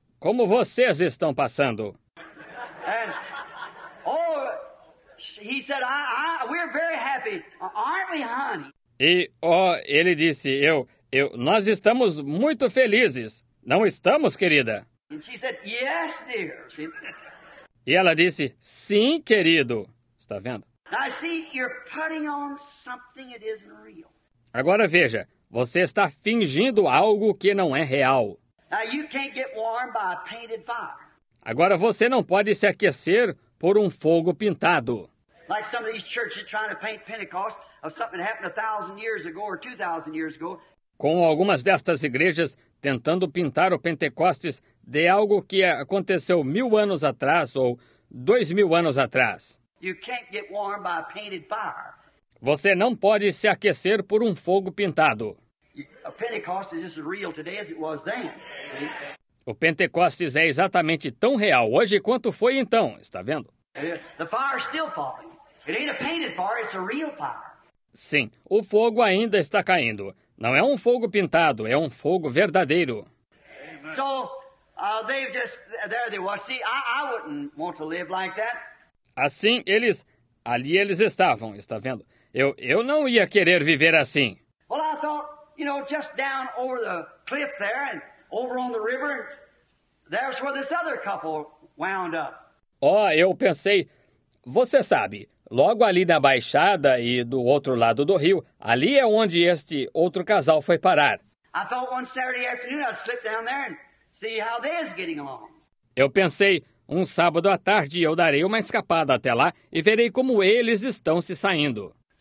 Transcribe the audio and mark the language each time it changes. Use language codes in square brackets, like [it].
[pt] Como vocês estão passando? [en] And, oh, he said, we're very happy, aren't we, honey? [pt] E oh, ele disse: nós estamos muito felizes. Não estamos, querida? [en] And she said, yes, dear. [pt] E ela disse: sim, querido. Está vendo? [en] I see you're putting on something that isn't real. [pt] Agora veja, você está fingindo algo que não é real. [en] Now you can't get warm by a painted fire. [pt] Agora você não pode se aquecer por um fogo pintado. [en] Like some of these churches trying to paint Pentecost of something that happened 1,000 years ago or 2,000 years ago. [pt] Como algumas destas igrejas tentando pintar o Pentecostes de algo que aconteceu 1,000 anos atrás ou 2,000 anos atrás. [en] You can't get warm by a painted fire. [pt] Você não pode se aquecer por um fogo pintado. [en] A Pentecost is just as real today as it was then. [pt] O Pentecostes é exatamente tão real hoje quanto foi então, está vendo? [en] The fire is still falling. It ain't a painted fire, it's a real fire. [pt] Sim, o fogo ainda está caindo. Não é um fogo pintado, é um fogo verdadeiro. [en] Amen. So, they've just, there they were. See, I wouldn't want to live like that. [pt] Assim, eles, ali eles estavam, está vendo? Eu não ia querer viver assim. [en] Well, I thought, you know, just down over the cliff there and over on the river, there's where this other couple wound up. [pt] Oh, eu pensei, você sabe, logo ali na baixada e do outro lado do rio, ali é onde este outro casal foi parar. [en] I thought one Saturday afternoon I'd slip down there and see how they is getting along. [pt] Eu pensei, um sábado à tarde eu darei uma escapada até lá e verei como eles estão se saindo.